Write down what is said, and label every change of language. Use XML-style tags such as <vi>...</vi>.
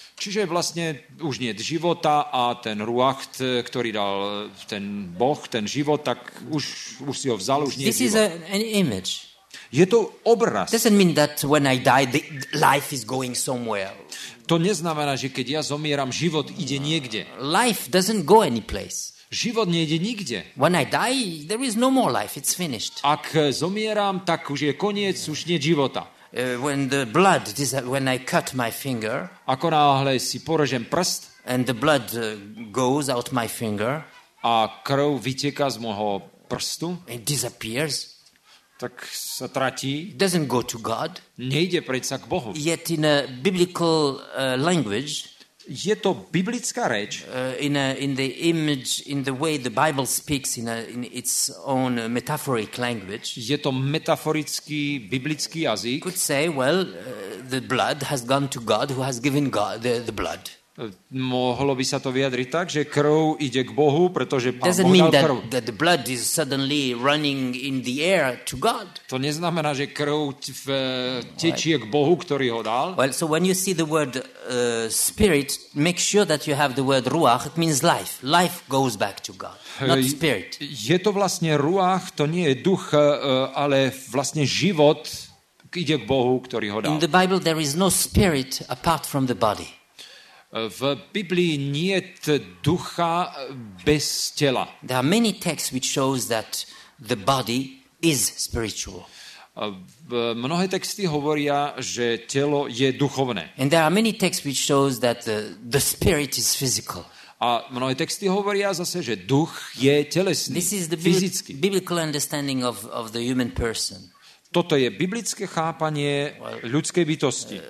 <sk>Čiže vlastne už nie je života a ten ruach, ktorý dal ten Boh, ten život, tak už si ho vzal, už nie je</sk> <en>život. This is an image.</en> <sk>Je to obraz.</sk> <en>Doesn't mean that when I die, the life is going somewhere.</en> <sk>To neznamená, že keď ja zomieram, život ide niekde.</sk> <en>Life doesn't go any place.</en> <sk>Život nejde nikde.</sk> <en>When I die, there is no more life, it's finished.</en> <sk>Ak zomieram, tak už je koniec, už nie je života.</sk> <en>When I cut my finger,</en> <sk>ako náhle si porežem prst,</sk> <en>and the blood goes out my finger,</en> <sk>a krv vyteká z môjho prstu,</sk> <en>it disappears,</en> <sk>tak sa tratí,</sk> <en>doesn't go to God,</en> <sk>nejde predsa k Bohu.</sk> <en>Yet in a biblical language,</en> <sk>je to biblická reč,</sk> <en>in the way the Bible speaks in its own metaphoric language,</en> <sk>je to metaforický biblický jazyk,</sk> <en>could say well the blood has gone to God who has given God the blood.</en> <sk>Mohlo by sa to vyjadriť tak, že krv ide k Bohu, pretože Pán Boh dal krv.</sk> <en>Doesn't mean that the blood is suddenly running in the air to God.</en> <sk>To neznamená, že krv tečie k Bohu, ktorý ho dal.</sk> <en>Well, so when you see the word spirit, make sure that you have the word ruach. It means life. Life goes back to God, not spirit.</en> <sk>Je to vlastne ruach, to nie je duch, ale vlastne život ide k Bohu, ktorý ho dal.</sk> <en>In the Bible there is no spirit apart from the body.</en> <sk>V Biblii nie je ducha bez tela.</sk> <en>There are many texts which shows that the body is spiritual.</en> <sk>Mnohé texty hovoria, že telo je duchovné.</sk> <en>And there are many texts which shows that the spirit is physical.</en> <sk>A mnohé texty hovoria zase, že duch je telesný, fyzický.</sk> <en>This is the biblical understanding of the human person.</en> <sk>Toto je biblické chápanie ľudskej bytosti.</sk>